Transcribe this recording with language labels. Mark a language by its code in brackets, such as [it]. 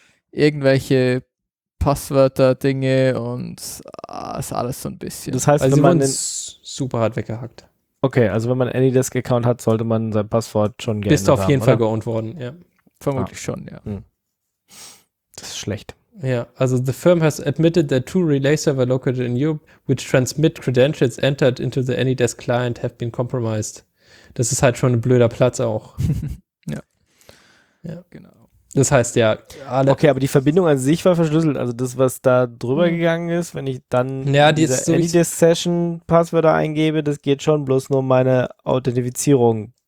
[de] Irgendwelche Passwörter-Dinge und ist alles so ein bisschen. Das heißt, super hart weggehackt. Okay, also wenn man einen Anydesk-Account hat, sollte man sein Passwort schon geändert haben, oder? Fall geowned worden, ja. Vermutlich schon, ja. Das ist schlecht. Ja, also [en] the firm has admitted that two relay server located in Europe, which transmit credentials entered into the Anydesk client, have been compromised. [de] Das ist halt schon ein blöder Platz auch. Ja. Ja, genau. Das heißt ja, alle. Okay, aber die Verbindung an sich war verschlüsselt. Also das, was da drüber gegangen ist, wenn ich dann diese Anydesk-Session-Passwörter eingebe, das geht schon, bloß nur meine Authentifizierung.